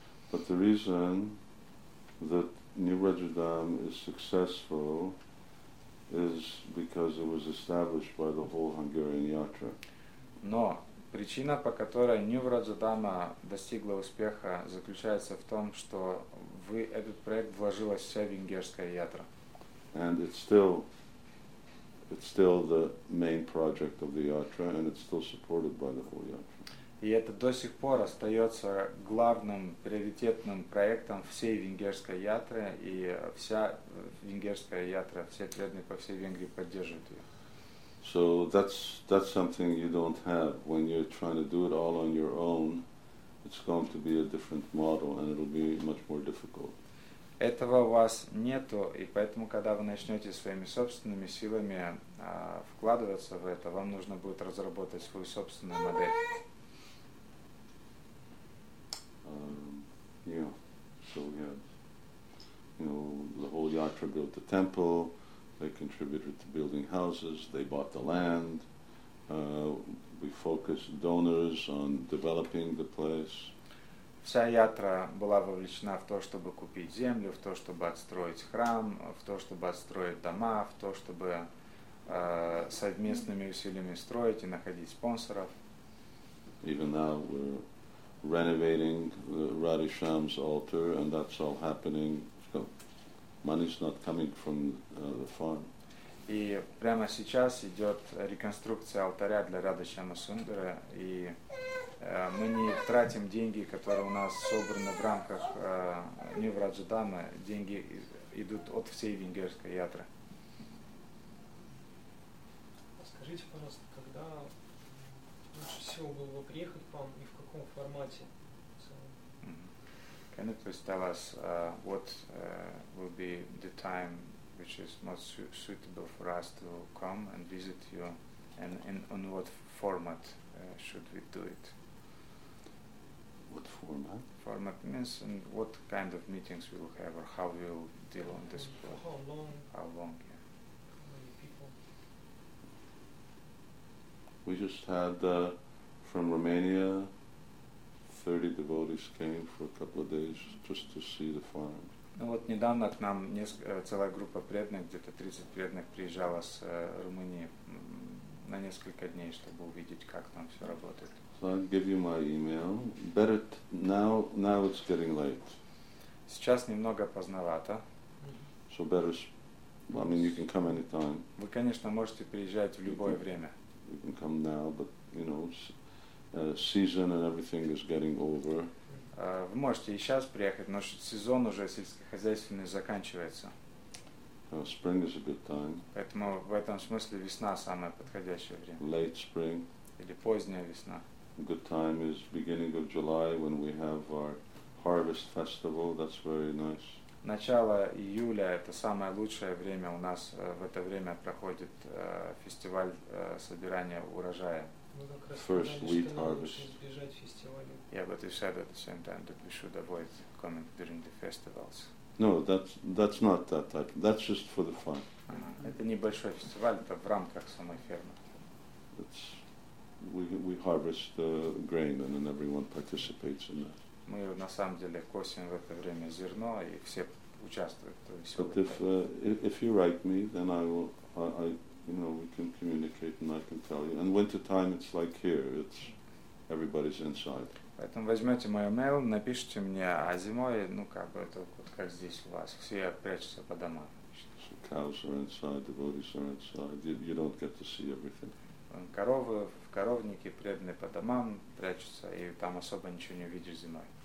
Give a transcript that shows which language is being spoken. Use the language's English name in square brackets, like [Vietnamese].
[English] But the reason that New Rajadham is successful is because it was established by the whole Hungarian Yatra. [Russian] Но причина, по которой New Rajadhama достигла успеха, заключается в том, что в этот проект вложилась вся венгерская ятра. [English] And it's still the main project of the Yatra, and it's still supported by the whole Yatra. [Russian] И это до сих пор остается главным приоритетным проектом всей венгерской ятры, и вся венгерская ятра, все преданные по всей Венгрии поддерживают ее. [English] So that's something you don't have when you're trying to do it all on your own. It's going to be a different model, and it'll be much more difficult. [Russian] Этого у вас нету, и поэтому, когда вы начнете своими собственными силами вкладываться в это, вам нужно будет разработать свою собственную модель. [English] The whole Yatra built the temple, they contributed to building houses, they bought the land, we focused donors on developing the place. [Russian] Вся Ятра была вовлечена в то, чтобы купить землю, в то, чтобы отстроить храм, в то, чтобы отстроить дома, в то, чтобы совместными усилиями строить и находить спонсоров. [English] Even now we're renovating the Radhisham's altar, and that's all happening. So money's not coming from the farm. [Russian] И прямо сейчас идет реконструкция алтаря для Радхишама Сундара, и мы не тратим деньги, которые у нас собраны в рамках New Rajadhama. Деньги идут от всей венгерской ятры. Скажите, пожалуйста, когда лучше всего было бы приехать к вам и в каком формате? [English] Can you please tell us what will be the time which is most suitable for us to come and visit you, and in what format should we do it? What format? Format means and what kind of meetings we will have or how we will deal on this for how long? How long, yeah. How many people? We just had from Romania, 30 devotees came for a couple of days just to see the farm. [Russian] Ну вот недавно к нам целая группа преданных, где-то 30 преданных приезжала с Румынии на несколько дней, чтобы увидеть, как там все работает. [English] So I'll give you my email. Better now it's getting late. [Russian] Сейчас немного поздновато. [English] So better, well, I mean, you can come anytime. [Russian] Вы, конечно, можете приезжать в любое время. [English] You can come now, but, you know, season and everything is getting over. [Russian] Вы можете и сейчас приехать, но сезон уже сельскохозяйственный заканчивается. [English] Spring is a good time. [Russian] Поэтому в этом смысле весна самое подходящее время. [English] Late spring. [Russian] Или поздняя весна. [English] Good time is beginning of July when we have our harvest festival. That's very nice. [Russian] Начало июля – это самое лучшее время. У нас в это время проходит фестиваль собирания урожая. [English] First wheat harvest. Yeah, but you said at the same time that we should avoid coming during the festivals. No, that's not that type. That's just for the fun. [Russian] Это небольшой фестиваль, это в рамках самой фермы. [English] We harvest grain and then everyone participates in that. [Russian] Мы на самом деле косим в это время зерно и все участвуют. [English] But if you write me, then I we can communicate and I can tell you. And winter time, it's like here, it's everybody's inside. [Russian] Поэтому возьмете мой email, напишите мне, а зимой, ну как бы это вот как здесь у вас, все прячутся по домам. [English] So cows are inside, devotees are inside. You don't get to see everything. [Russian] Коровы в коровнике, преданные по домам прячутся, и там особо ничего не увидишь зимой.